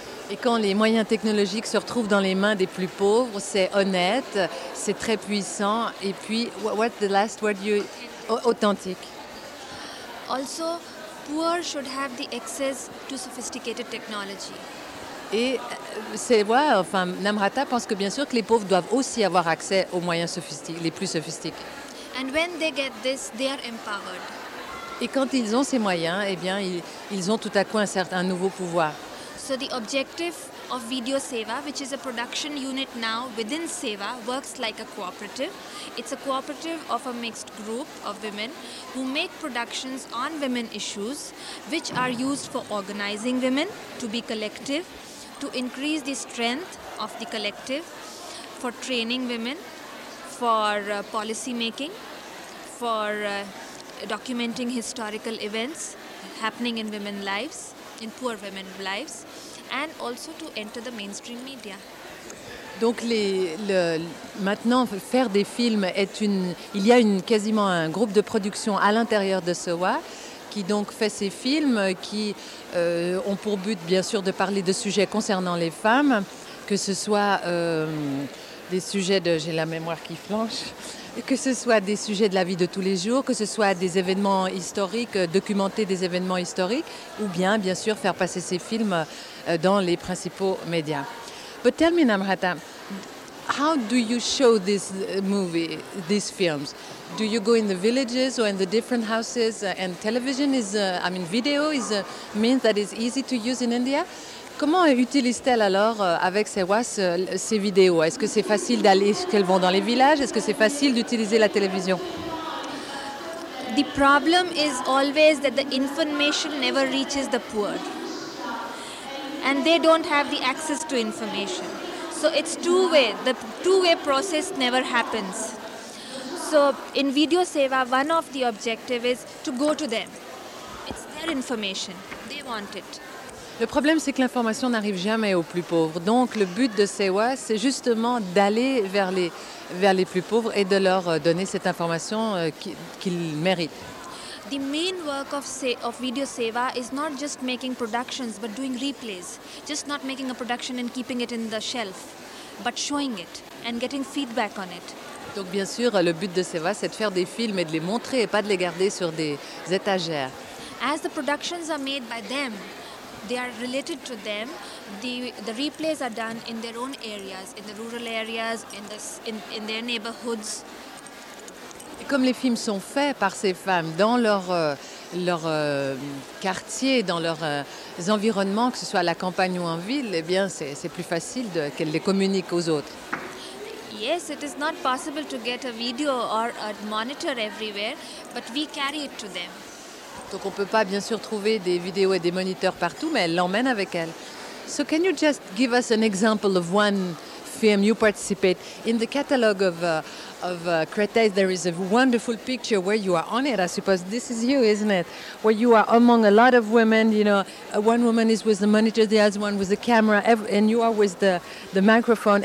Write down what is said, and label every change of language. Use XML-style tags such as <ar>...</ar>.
<fr>Et quand les moyens technologiques se retrouvent dans les mains des plus pauvres, c'est honnête, c'est très puissant, et puis,</fr> <en>what's the last word you... authentic. Also, poor should have the access to sophisticated technology.</en> <fr>Et c'est, ouais, enfin, Namrata pense que bien sûr que les pauvres doivent aussi avoir accès aux moyens sophistiqués, les plus sophistiqués.</fr> <en>And when they get this, they are empowered.</en> <fr>Et quand ils ont ces moyens, eh bien, ils ont tout à coup un nouveau pouvoir.</fr> <en>So the objective of Video Seva, which is a production unit now within Seva, works like a cooperative. It's a cooperative of a mixed group of women who make productions on women issues, which are used for organizing women to be collective, to increase the strength of the collective, for training women, for policy making, for documenting historical events happening in women lives, in poor women lives, and also to enter the mainstream media.</en> <fr>Donc maintenant faire des films est une, il y a une quasiment un groupe de production à l'intérieur de Sewa qui donc fait ces films qui ont pour but bien sûr de parler de sujets concernant les femmes, que ce soit des sujets de, j'ai la mémoire qui flanche, que ce soit des sujets de la vie de tous les jours, que ce soit des événements historiques, documenter des événements historiques, ou bien, bien sûr, faire passer ces films dans les principaux médias.</fr> <en>But tell me, Namrata, how do you show this movie, these films? Do you go in the villages or in the different houses? And television is, video is a means that is easy to use in India?</en> <fr>Comment utilise-t-elle alors avec ses WAS ces vidéos? Est-ce que c'est facile d'aller, est-ce qu'elles vont dans les villages? Est-ce que c'est facile d'utiliser la télévision?</fr> <en>The problem is always that the information never reaches the poor. And they don't have the access to information. So it's two-way. The two-way process never happens. So in Video Seva, one of the objectives is to go to them. It's their information. They want it.</en> <fr>Le problème, c'est que l'information n'arrive jamais aux plus pauvres. Donc, le but de Sewa, c'est justement d'aller vers les plus pauvres et de leur donner cette information qu'ils méritent.</fr> <en>The main work of Video Seva is not just making productions, but doing replays. Just not making a production and keeping it in the shelf, but showing it and getting feedback on it.</en> <fr>Donc, bien sûr, le but de Sewa, c'est de faire des films et de les montrer et pas de les garder sur des étagères.</fr> <en>As the productions are made by them, they are related to them. The replays are done in their own areas, in the rural areas, in their neighborhoods.</en> <fr>Et comme les films sont faits par ces femmes dans leur quartier, dans leurs environnements, que ce soit à la campagne ou en ville, eh bien c'est plus facile de qu'elles les communiquent aux autres.</fr> <en>Yes, it is not possible to get a video or a monitor everywhere, but we carry it to them.</en> <fr>Donc on peut pas bien sûr trouver des vidéos et des moniteurs partout, mais elle l'emmène avec elle.</fr> <en>So can you just give us an example of one film you participate in the catalog of Créteil? There is a wonderful picture where you are on it. I suppose this is you, isn't it? Where you are among a lot of women. You know, one woman is with the monitor, the other one with the camera, and you are with the microphone.</en>